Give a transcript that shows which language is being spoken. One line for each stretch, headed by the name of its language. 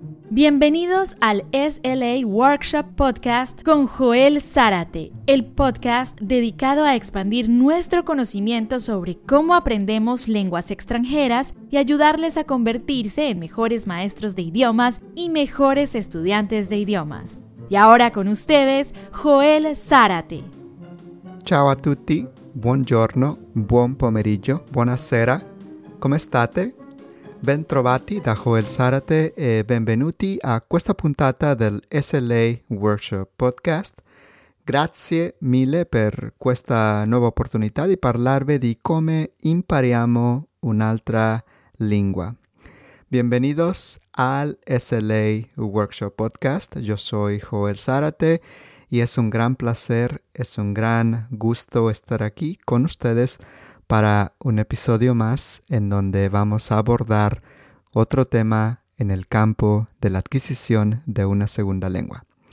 Spanish: Bienvenidos al SLA Workshop Podcast con Joel Zárate, el podcast dedicado a expandir nuestro conocimiento sobre cómo aprendemos lenguas extranjeras y ayudarles a convertirse en mejores maestros de idiomas y mejores estudiantes de idiomas. Y ahora con ustedes, Joel Zárate.
Italian: Ciao a tutti, buongiorno, buon pomeriggio, buonasera, come state? Ben trovati da Joel Zárate e benvenuti a questa puntata del SLA Workshop Podcast. Grazie mille per questa nuova opportunità di parlarvi di come impariamo un'altra lingua.
Spanish: Bienvenidos al SLA Workshop Podcast. Yo soy Joel Zárate y es un gran placer, es un gran gusto estar aquí con ustedes para un episodio más en donde vamos a abordar otro tema en el campo de la adquisición de una segunda lengua.